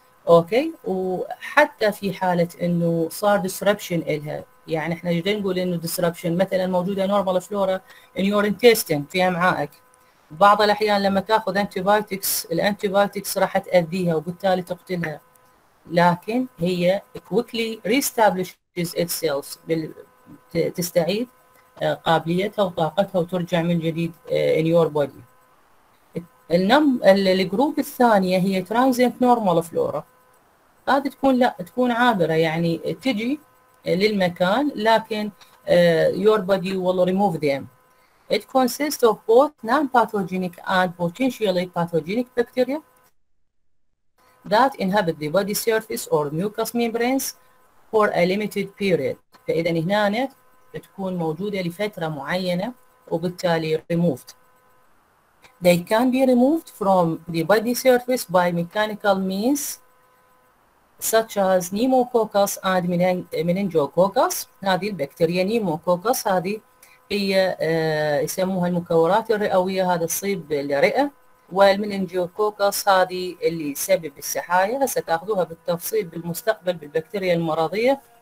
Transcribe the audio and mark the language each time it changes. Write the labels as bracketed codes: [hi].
[ar] اوكي، وحتى في حالة انه صار disruption إلها، يعني احنا جدا نقول انه disruption مثلا موجوده [en] normal flora in your intestine [ar] في امعائك، بعض الاحيان لما تاخذ antibiotics الانتيبايوتكس راح تاذيها وبالتالي تقتلها، لكن هي [en] quickly reestablishes itself [ar] تستعيد قابليتها وطاقتها وترجع من جديد [en] in your body. [ar] الجروب الثانيه هي transient normal flora، هذه تكون لا تكون عابره، يعني تجي للمكان لكن [en] your body will remove them. It consists of both non-pathogenic and potentially pathogenic bacteria that inhabit the body surface or mucous membranes for a limited period. [ar] فإذا هنا تكون موجودة لفترة معينة وبالتالي removed. [en] They can be removed from the body surface by mechanical means such as pneumococcus and meningococcus. [ar] هذه البكتيريا نيموكوكس هذه هي يسموها المكورات الرئوية، هذا تصيب الرئة، والمننجوكوكس هذه اللي يسبب السحايا، ستأخذوها بالتفصيل بالمستقبل بالبكتيريا المرضية.